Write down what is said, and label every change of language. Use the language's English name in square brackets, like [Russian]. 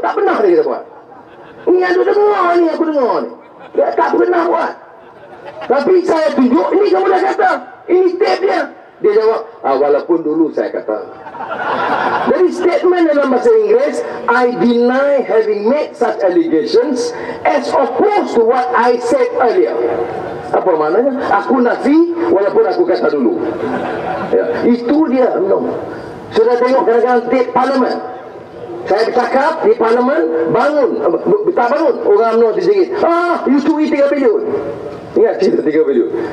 [Malay] Tak pernah dia kita buat. Ni aku dengar ni, aku dengar ni. Ya, tak pernah buat. Tapi saya tunjuk, ini kamu dah kata. Ini tape dia. Dia jawab, walaupun dulu saya kata. Jadi statement dalam bahasa Inggeris, [English] I deny having made such allegations as opposed to what I said earlier. [Malay] Apa maknanya? Aku nafi walaupun aku kata dulu. Ya, itu dia. No. Sudah tengok kadang-kadang tape parlimen. Saya bercakap di parlimen, bangun. Tak bangun, orang UMNO dijerit. [English] You two eat 3 bilion. [Malay] Ingat cerita 3 bilion.